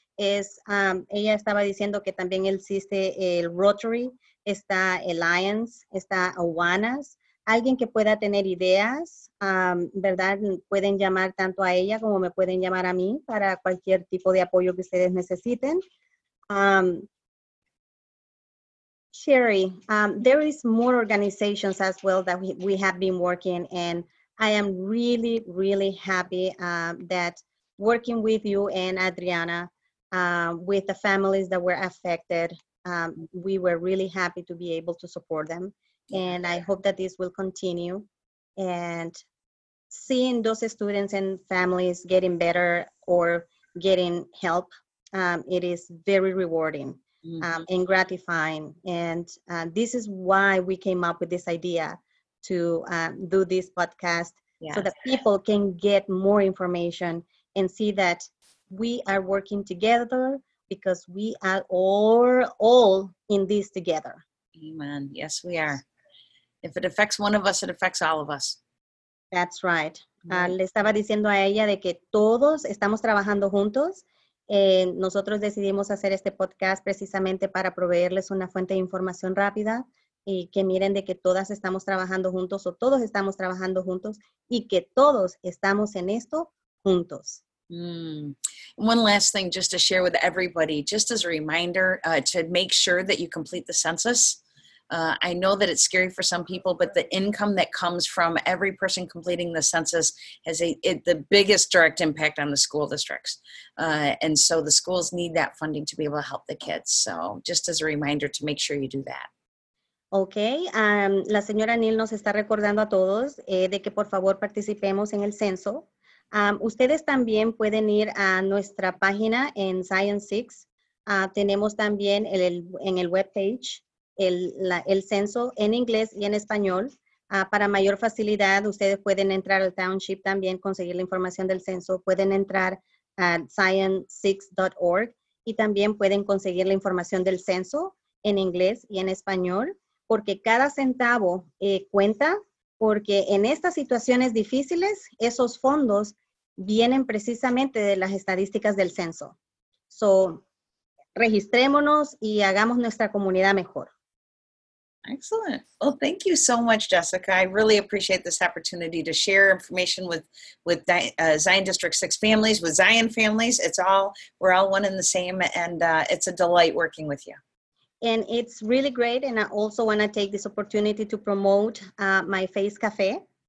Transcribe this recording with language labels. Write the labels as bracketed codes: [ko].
[es] Ella estaba diciendo que también existe el Rotary, está Alliance, está Awanas. Alguien que pueda tener ideas, ¿verdad? Pueden llamar tanto a ella como me pueden llamar a mí para cualquier tipo de apoyo que ustedes necesiten. [en] Sherry, there is more organizations as well that we have been working, and I am really, really happy that working with you and Adriana, with the families that were affected, we were really happy to be able to support them. And I hope that this will continue. And seeing those students and families getting better or getting help, it is very rewarding. And gratifying. And this is why we came up with this idea to do this podcast. Yes. So that people can get more information and see that we are working together because we are all in this together. Amen. Yes, we are. If it affects one of us, it affects all of us. That's right. [es] Mm-hmm. Le estaba diciendo a ella de que todos estamos trabajando juntos. Nosotros decidimos hacer este podcast precisamente para proveerles una fuente de información rápida y que miren de que todas estamos trabajando juntos o todos estamos trabajando juntos y que todos estamos en esto juntos. [en] One last thing just to share with everybody, just as a reminder, to make sure that you complete the census. I know that it's scary for some people, but the income that comes from every person completing the census has the biggest direct impact on the school districts. And so the schools need that funding to be able to help the kids. So just as a reminder to make sure you do that. Okay. [es] La señora Neal nos está recordando a todos de que por favor participemos en el censo. Ustedes también pueden ir a nuestra página en Zion 6. Tenemos también en el webpage. El censo en inglés y en español. Para mayor facilidad, ustedes pueden entrar al township también, conseguir la información del censo. Pueden entrar a zion6.org y también pueden conseguir la información del censo en inglés y en español, porque cada centavo cuenta, porque en estas situaciones difíciles, esos fondos vienen precisamente de las estadísticas del censo. So, registrémonos y hagamos nuestra comunidad mejor. [en] Excellent. Well, thank you so much, Jessica. I really appreciate this opportunity to share information with Zion District 6 families, with Zion families. We're all one and the same, and it's a delight working with you. And it's really great, and I also want to take this opportunity to promote My Face Cafe.